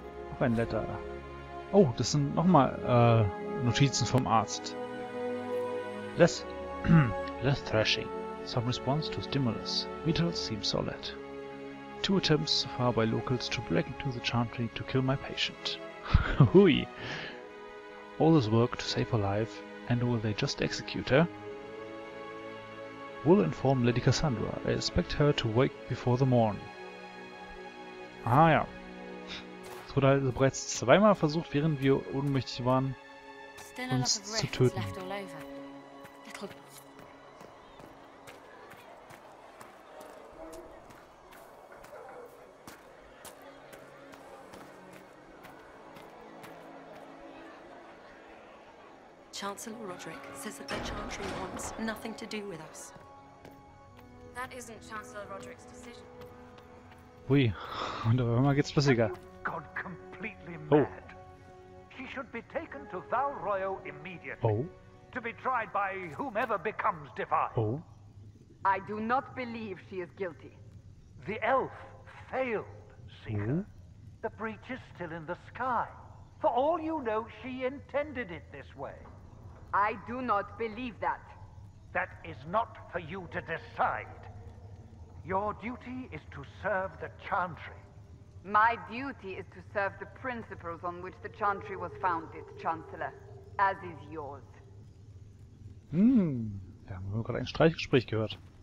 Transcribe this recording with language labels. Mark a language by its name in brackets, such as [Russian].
[German] Noch ein Letter. Oh, das sind nochmal Notizen vom Arzt. [English] Less thrashing. Some response to stimulus. Vitals seem solid. Two attempts so far by locals to break into the chantry to kill my patient. Hui. All this work to save her life, and will they just execute her? Will inform Lady Cassandra. I expect her to wake before the morn. [German] Ah ja. Es wurde halt bereits zweimal versucht, während wir ohnmächtig waren, uns zu töten. [English] Chancellor Roderick says that the Chantry wants nothing to do with us. That isn't Chancellor Roderick's decision. [German] Hui, und auf einmal geht's flüssiger. [English] God completely mad. She should be taken to Valroyo immediately. Oh. To be tried by whomever becomes defiled. Oh. I do not believe she is guilty. The elf failed, Seeker. Oh. The breach is still in the sky. For all you know, she intended it this way. I do not believe that. That is not for you to decide. Your duty is to serve the Chantry. My duty is to serve the principles on which the Chantry was founded, Chancellor. As is yours. [German] Wir haben nur gerade ein Streichgespräch gehört.